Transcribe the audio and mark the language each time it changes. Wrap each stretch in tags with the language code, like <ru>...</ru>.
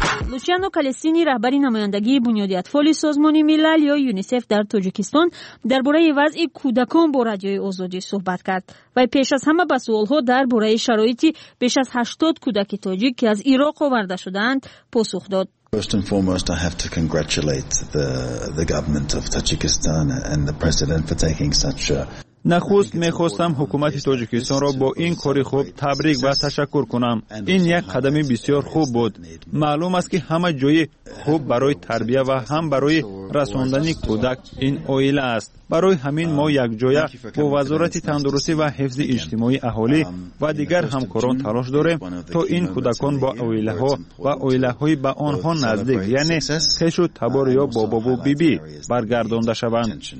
<fa>لوچیانو کالستینی، رهبری نمایندگی بنیاد اطفال سازمان ملل یا یونیسف در تاجیکستان، درباره وضع کودکان با رادیوی آزادی صحبت کرد و پیش از همه به سوال‌ها درباره شرایط بیش از 80 کودک تاجیک که از عراق آورده شده‌اند پاسخ داد.</fa> <en>First and foremost, I have to congratulate the government of Tajikistan and the president for taking such a</en> <fa>نخست می‌خواستم حکومت تاجیکستان را با این کاری خوب تبریک و تشکر کنم. این یک قدمی بسیار خوب بود. معلوم است که همه جای خوب برای تربیت و هم برای رساندن کودک این اویل است. برای همین ما یک جای با وزارت تندرستی و حفظ اجتماعی اهالی و دیگر همکاران تلاش داریم تا این کودکان با اویله‌ها و اویله‌های با آنها نزدیک، یعنی پیش و تبار یا بابا و بیبی برگردانده شوند.</fa>